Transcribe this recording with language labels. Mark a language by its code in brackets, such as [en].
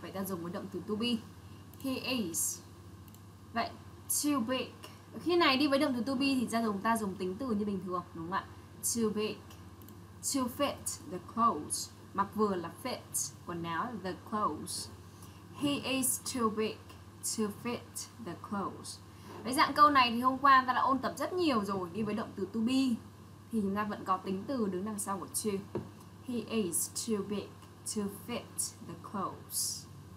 [vi] Vậy ta dùng với động từ to be. [en] He is. [vi] Vậy, [en] too big. [vi] Khi này đi với động từ to be thì ta dùng tính từ như bình thường, đúng không ạ? Too big. [en] To fit the clothes. [vi] Mặc vừa là fit, quần áo là the clothes. [en] He is too big to fit the clothes. [vi] Với dạng câu này thì hôm qua ta đã ôn tập rất nhiều rồi, đi với động từ to be thì chúng ta vẫn có tính từ đứng đằng sau của to. [en] He is too big to fit the clothes.